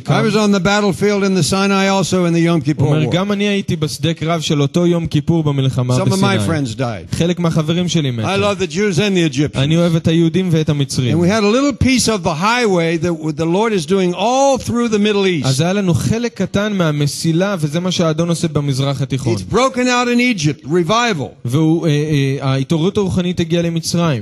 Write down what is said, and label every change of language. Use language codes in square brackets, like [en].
[he] קם. [en] I was on the battlefield in the Sinai also in the Yom Kippur war. [he] אומר, גם אני הייתי בשדה קרב של אותו יום כיפור במלחמה בסיני. [en] Some of my friends died. [he] חלק מהחברים שלי מתו. [en] I love the Jews and the Egyptians. [he] אני אוהב את היהודים ואת המצרים. [en] And we had a little piece of the highway that the Lord is doing all through the Middle East. [he] אז היה לנו חלק קטן מהמסילה, וזה מה שהאדון עושה במזרח התיכון. [en] It's broken out in Egypt, revival. [he] וההתעוררות הרוחנית הגיעה למצרים.